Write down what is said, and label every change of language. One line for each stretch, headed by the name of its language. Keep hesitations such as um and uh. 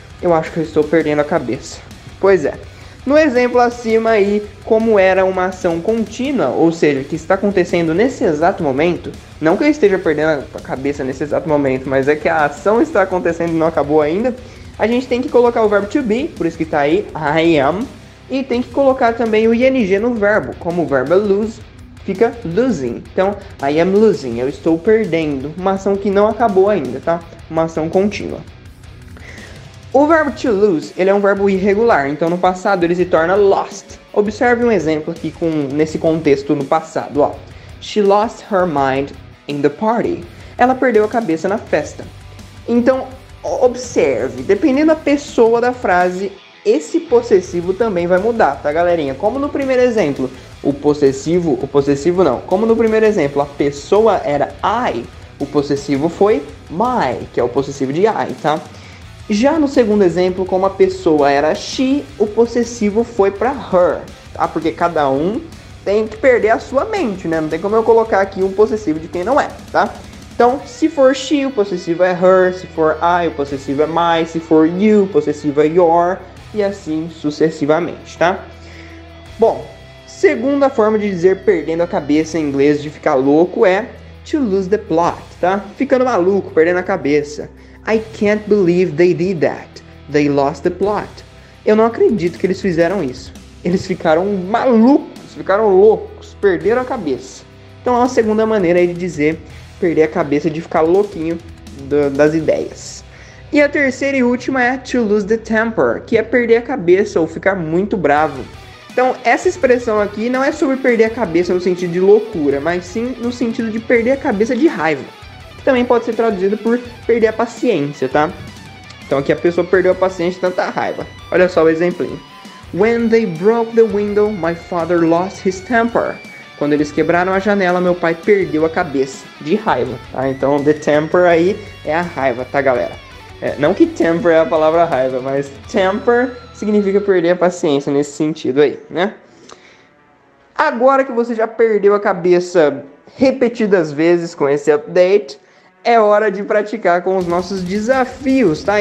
Portuguese: Eu acho que eu estou perdendo a cabeça. Pois é. No exemplo acima aí, como era uma ação contínua, ou seja, que está acontecendo nesse exato momento, não que eu esteja perdendo a cabeça nesse exato momento, mas é que a ação está acontecendo e não acabou ainda, a gente tem que colocar o verbo to be, por isso que está aí, I am, e tem que colocar também o ing no verbo, como o verbo é lose, fica losing. Então, I am losing, eu estou perdendo, uma ação que não acabou ainda, tá? Uma ação contínua. O verbo to lose, ele é um verbo irregular, então no passado ele se torna lost. Observe um exemplo aqui com nesse contexto no passado, ó.
English: She lost her mind in the party.
Portuguese: Ela perdeu a cabeça na festa. Então, observe, dependendo da pessoa da frase, esse possessivo também vai mudar, tá, galerinha? Como no primeiro exemplo, o possessivo, o possessivo não. Como no primeiro exemplo, a pessoa era I, o possessivo foi my, que é o possessivo de I, tá? Já no segundo exemplo, como a pessoa era she, o possessivo foi para her, tá? Porque cada um tem que perder a sua mente, né? Não tem como eu colocar aqui um possessivo de quem não é, tá? Então, se for she, o possessivo é her, se for I, o possessivo é my, se for you, o possessivo é your, e assim sucessivamente, tá? Bom, segunda forma de dizer perdendo a cabeça em inglês de ficar louco é to lose the plot, tá? Ficando maluco, perdendo a cabeça.
English: I can't believe they did that. They lost the plot.
Portuguese: Eu não acredito que eles fizeram isso. Eles ficaram malucos, ficaram loucos, perderam a cabeça. Então é uma segunda maneira aí de dizer perder a cabeça, de ficar louquinho do- das ideias. E a terceira e última é to lose the temper, que é perder a cabeça ou ficar muito bravo. Então, essa expressão aqui não é sobre perder a cabeça no sentido de loucura, mas sim no sentido de perder a cabeça de raiva que também pode ser traduzido por perder a paciência, tá? Então aqui a pessoa perdeu a paciência de tanta raiva. Olha só o exemplinho.
English: When they broke the window, my father lost his temper.
Portuguese: Quando eles quebraram a janela, meu pai perdeu a cabeça de raiva, tá? Então the temper aí é a raiva, tá, galera? É, não que temper é a palavra raiva, mas temper significa perder a paciência nesse sentido aí, né? Agora que você já perdeu a cabeça repetidas vezes com esse update, é hora de praticar com os nossos desafios, tá?